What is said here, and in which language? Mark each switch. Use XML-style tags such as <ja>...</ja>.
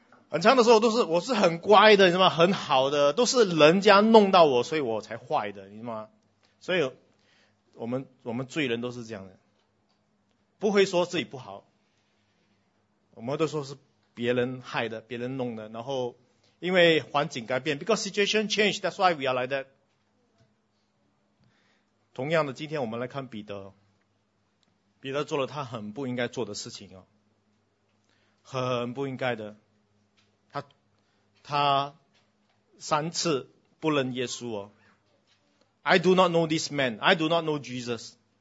<zh>很长的时候都是我是很乖的，你知道吗？很好的，都是人家弄到我，所以我才坏的，你知道吗？所以我们罪人都是这样的，不会说自己不好，我们都说是别人害的，别人弄的。然后因为环境改变</zh> <en>，because situation change, that's why we are like that。</en> <zh>同样的，今天我们来看彼得，彼得做了他很不应该做的事情哦，很不应该的。他三次不认耶稣哦。</zh> <en>I do not know this man. I do not know Jesus.</en>